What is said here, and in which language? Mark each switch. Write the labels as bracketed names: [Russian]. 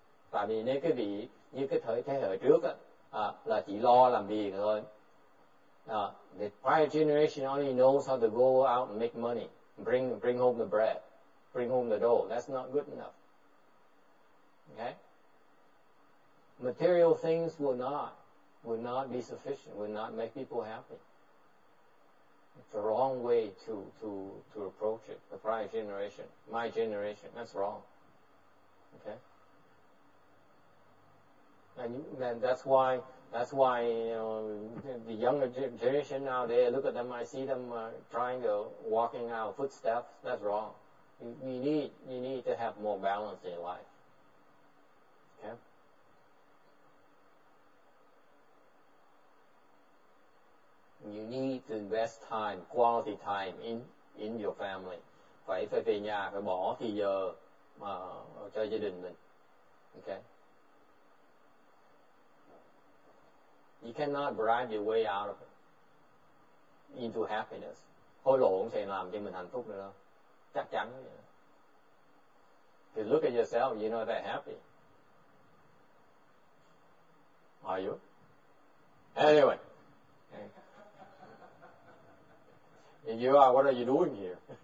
[Vietnamese] Tại vì nếu quý vị như cái thế hệ trước là chỉ lo làm việc thôi. [English] The prior generation only knows how to go out and make money, bring home the bread, bring home the dough. That's not good enough. Okay? Material things will not be sufficient, will not make people happy. It's the wrong way to approach it. The prior generation, my generation, that's wrong. Okay? That's why you know, the younger generation now, they look at them, I see them trying to walk in our footsteps. That's wrong. You need to have more balance in your life. Okay? You need to invest time, quality time in your family. [Vietnamese] Phải về nhà, phải bỏ thì giờ mà cho gia đình mình. [English] Okay? You cannot bribe your way out of it into happiness. [Vietnamese] Hối lộ không thể làm cho mình hạnh phúc nữa đâu. Chắc chắn. [English] If you look at yourself, you're not that happy. Are you? Anyway. Okay. If you are, what are you doing here?